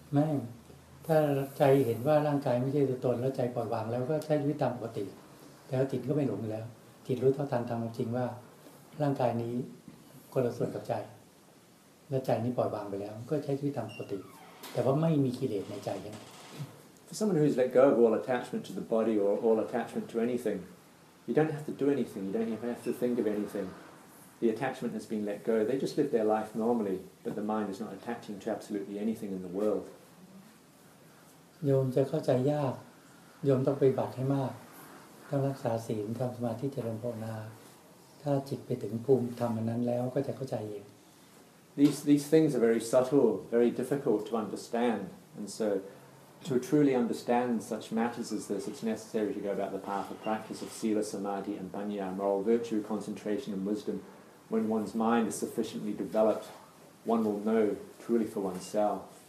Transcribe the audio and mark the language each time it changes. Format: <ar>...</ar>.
<th>แม่ถ้าใจเห็นว่าร่างกายไม่ใช่ตัวตนแล้วใจปล่อยวางแล้วก็ใช้ชีวิตตามปกติแล้วจิตก็ไม่หลงแล้วจิตรู้เท่าทันธรรมจริงว่าร่างกายนี้คนละส่วนกับใจและใจนี้ปล่อยวางไปแล้วก็ใช้ชีวิตตามปกติแต่ว่าไม่มีกิเลสในใจยัง</th> <en>For someone who's let go of all attachment to the body or all attachment to anything, you don't have to do anything. You don't even have to think of anything. The attachment has been let go. They just live their life normally, but the mind is not attaching to absolutely anything in the world.</en> <th>โยมจะเข้าใจยากโยมต้องปฏิบัติให้มากต้องรักษาศีลทำสมาธิเจริญภาวนาถ้าจิตไปถึงภูมิธรรมนั้นแล้วก็จะเข้าใจเอง</th> <en>These things are very subtle, very difficult to understand. And so to truly understand such matters as this, it's necessary to go about the path of practice of sila, samadhi, and panya, moral virtue, concentration, and wisdom. When one's mind is sufficiently developed, one will know truly for oneself.</en>